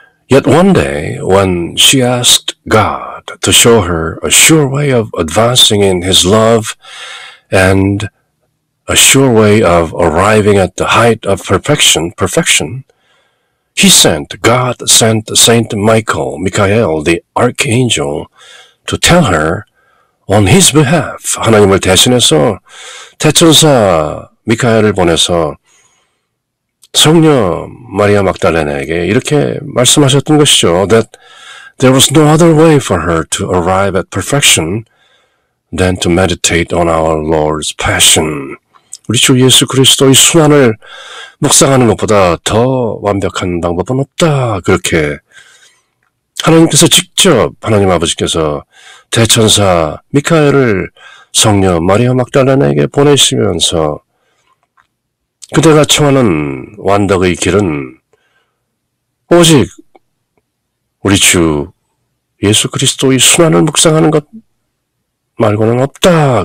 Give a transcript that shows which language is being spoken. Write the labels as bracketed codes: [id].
[en] Yet one day, when she asked God to show her a sure way of advancing in His love and a sure way of arriving at the height of perfection, God sent Saint Michael, the archangel, to tell her on His behalf. [ko] 하나님을 대신해서 대천사 미카엘을 보내서 성녀 마리아 막달레나에게 이렇게 말씀하셨던 것이죠. [en] That there was no other way for her to arrive at perfection than to meditate on our Lord's passion. [ko] 우리 주 예수 그리스도의 순환을 묵상하는 것보다 더 완벽한 방법은 없다. 그렇게 하나님께서 직접 하나님 아버지께서 대천사 미카엘을 성녀 마리아 막달레나에게 보내시면서 그대가 청하는 완덕의 길은 오직 우리 주 예수 그리스도의 순환을 묵상하는 것 말고는 없다.